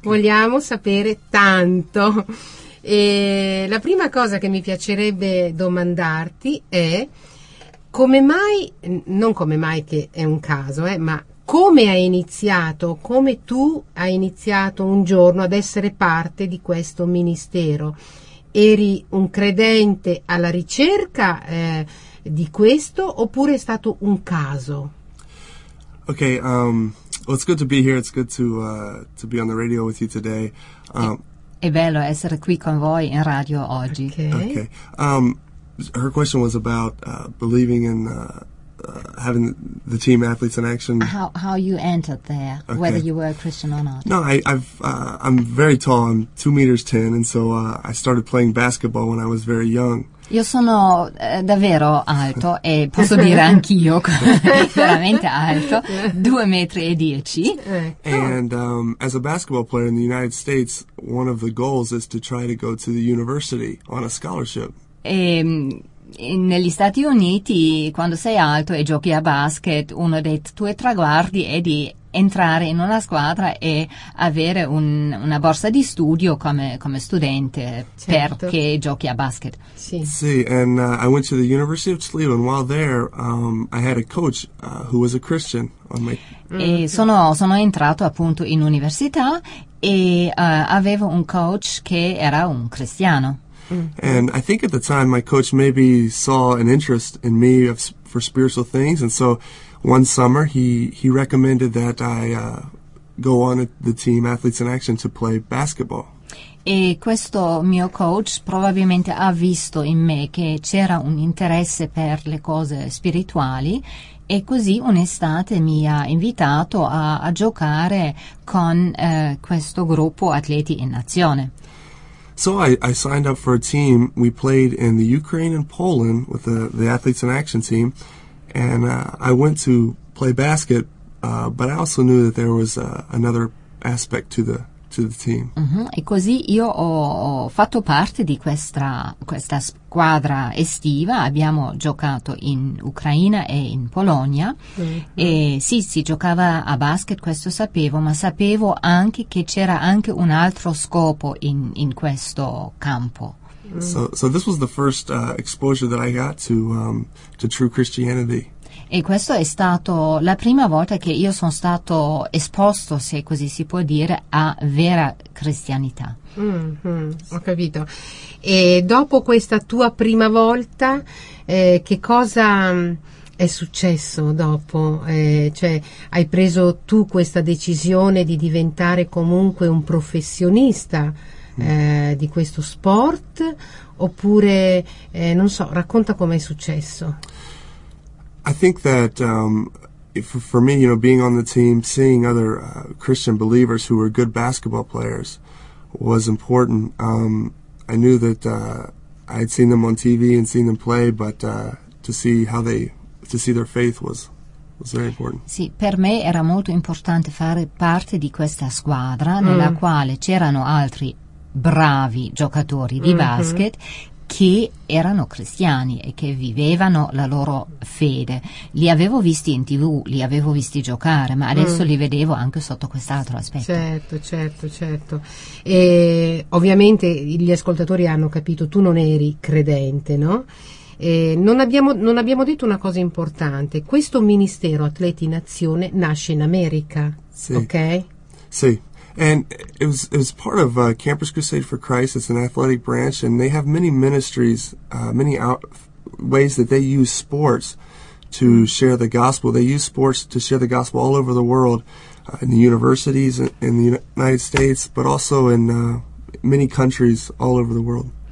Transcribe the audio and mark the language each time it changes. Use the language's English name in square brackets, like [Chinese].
[Italian] Vogliamo sapere tanto. E la prima cosa che mi piacerebbe domandarti è come mai, non come mai che è un caso, ma come hai iniziato, come tu hai iniziato un giorno ad essere parte di questo ministero? Eri un credente alla ricerca di questo, oppure è stato un caso? [English] Okay, well, it's good to be here. It's good to be on the radio with you today. [Italian] È bello essere qui con voi in radio oggi. Okay. [English] Her question was about believing in having the team Athletes in Action. How you entered there, okay. Whether you were a Christian or not. No, I'm very tall. I'm 2 meters 10, and so I started playing basketball when I was very young. [Italian] Io sono davvero alto e posso dire anch'io veramente alto, 2 metri e 10. [English] And as a basketball player in the United States, one of the goals is to try to go to the university on a scholarship. [Italian] Negli Stati Uniti, quando sei alto e giochi a basket, uno dei tuoi traguardi è di entrare in una squadra e avere una borsa di studio come studente. Certo. Perché giochi a basket. Sì. [English] Sì, and I went to the University of Toledo, and while there I had a coach who was a Christian on my... [Italian] E sono entrato appunto in università e avevo un coach che era un cristiano. [English] And I think at the time my coach maybe saw an interest in me for spiritual things, and so one summer he recommended that I go on the team Athletes in Action to play basketball. [Italian] E questo mio coach probabilmente ha visto in me che c'era un interesse per le cose spirituali, e così un'estate mi ha invitato a giocare con questo gruppo Atleti in Azione. [English] So I signed up for a team. We played in the Ukraine and Poland with the Athletes in Action team. And I went to play basket, but I also knew that there was another aspect to the team. Mm-hmm. [Italian] E così io ho fatto parte di questa squadra estiva. Abbiamo giocato in Ucraina e in Polonia. Mm-hmm. E sì, si giocava a basket, questo sapevo, ma sapevo anche che c'era anche un altro scopo in questo campo. [English] So this was the first exposure that I got to true Christianity. [Italian] E questo è stato la prima volta che io sono stato esposto, se così si può dire, a vera cristianità. Mm-hmm, ho capito. E dopo questa tua prima volta, che cosa è successo dopo? Cioè, hai preso tu questa decisione di diventare comunque un professionista di questo sport, oppure non so, racconta com'è successo. [English] I think that for me, you know, being on the team, seeing other Christian believers who were good basketball players was important. I knew that I had seen them on TV and seen them play, but to see their faith was very important. [Italian] Sì, per me era molto importante fare parte di questa squadra nella quale c'erano altri bravi giocatori di basket che erano cristiani e che vivevano la loro fede. Li avevo visti in TV, li avevo visti giocare, ma adesso li vedevo anche sotto quest'altro aspetto. Certo. E ovviamente gli ascoltatori hanno capito, tu non eri credente, no? E non abbiamo detto una cosa importante. Questo ministero Atleti in Azione nasce in America, sì. Ok? Sì. [English] And it was part of Campus Crusade for Christ. It's an athletic branch, and they have many ministries, ways that they use sports to share the gospel. They use sports to share the gospel all over the world, in the universities in the United States, but also in many countries all over the world.